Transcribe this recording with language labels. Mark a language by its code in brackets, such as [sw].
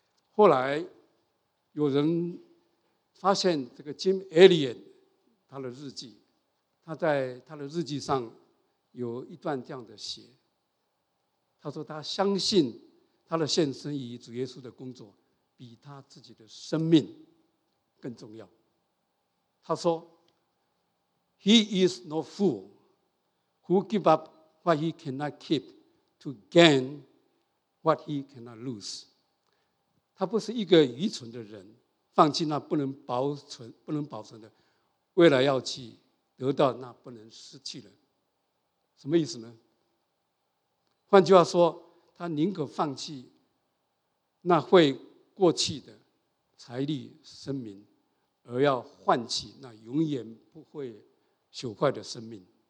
[zh] 后来有人发现这个 Jim Elliot 他的日记，他在他的日记上有一段这样的写，他说他相信他的献身于主耶稣的工作比他自己的生命更重要。他说 [en] He is no fool who give up what he cannot keep to gain what he cannot lose. [zh] 他不是一个愚蠢的人，放弃那不能保存的，为了要去得到那不能失去的。什么意思呢？换句话说，他宁可放弃那会过去的财力生命，而要换取那永远不会朽坏的生命。